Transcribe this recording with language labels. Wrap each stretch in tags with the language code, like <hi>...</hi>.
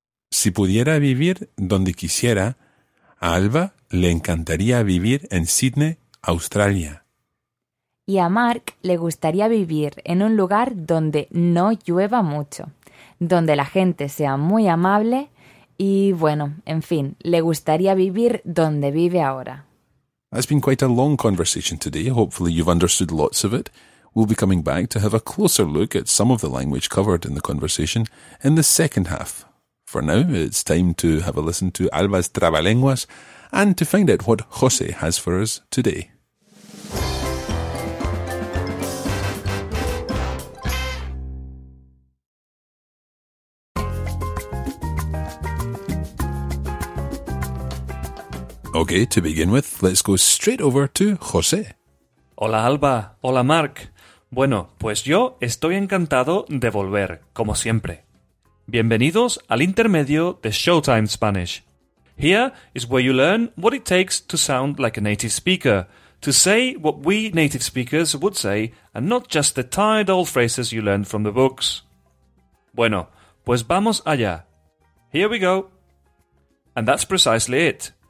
<es>Si pudiera vivir donde quisiera, a Alba le encantaría vivir en Sydney, Australia. Y a Mark le gustaría vivir en un lugar donde no llueva mucho, donde la gente sea muy amable y, bueno, en fin, le gustaría vivir donde vive ahora.</es> <en>That's been quite a long conversation today. Hopefully you've understood lots of it. We'll be coming back to have a closer look at some of the language covered in the conversation in the second half. For now, it's time to have a listen to Alba's Trabalenguas and to find out what José has for us today. Okay, to begin with, let's go straight over to José.</en> <es>Hola Alba, hola Mark. Bueno, pues yo estoy encantado de volver, como siempre. Bienvenidos al intermedio de Showtime Spanish.</es> <en>Here is where you learn what it takes to sound like a native speaker, to say what we native speakers would say, and not just the tired old phrases you learn from the books.</en> <es>Bueno, pues vamos allá.</es> <en>Here we go. And that's precisely it.</en>